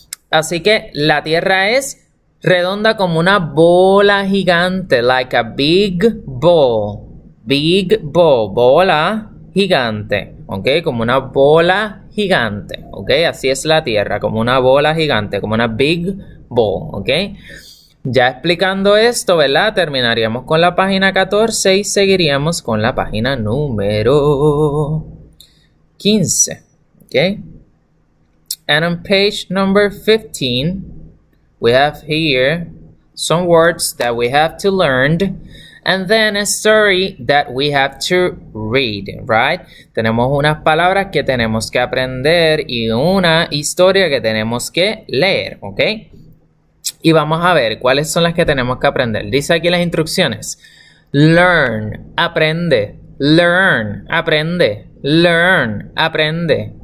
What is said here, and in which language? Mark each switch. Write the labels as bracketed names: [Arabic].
[Spanish] Así que la Tierra es redonda como una bola gigante, [English] like a big ball, [Spanish] bola gigante, ¿ok? Como una bola gigante, ¿ok? Así es la Tierra, como una bola gigante, como una [English] big ball, [Spanish] ¿ok? Ya explicando esto, ¿verdad? Terminaríamos con la página 14 y seguiríamos con la página número 15, ¿ok? [English] And on page number 15, we have here some words that we have to learn, and then a story that we have to read, right? [Spanish] Tenemos unas palabras que tenemos que aprender y una historia que tenemos que leer, ¿ok? Y vamos a ver cuáles son las que tenemos que aprender. Dice aquí las instrucciones. Learn, aprende. Learn, aprende. Learn, aprende.